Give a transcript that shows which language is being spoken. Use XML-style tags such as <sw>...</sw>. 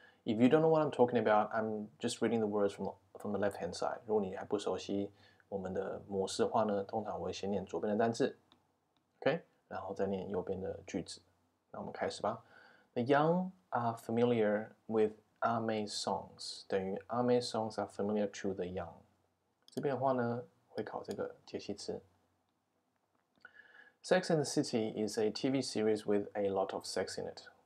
<en>If you don't know what I'm talking about, I'm just reading the words from the left hand side.</en> <zh>如果你还不熟悉我们的模式的话呢，通常我会先念左边的单词，OK，然后再念右边的句子。那我们开始吧。</zh> <en>The young are familiar with Ame's songs，</en> <zh>等于</zh> <en>Ame's songs are familiar to the young。</en> <zh>这边的话呢，会考这个解析词。</zh> <en>Sex and the City is a TV series with a lot of sex in it。</en>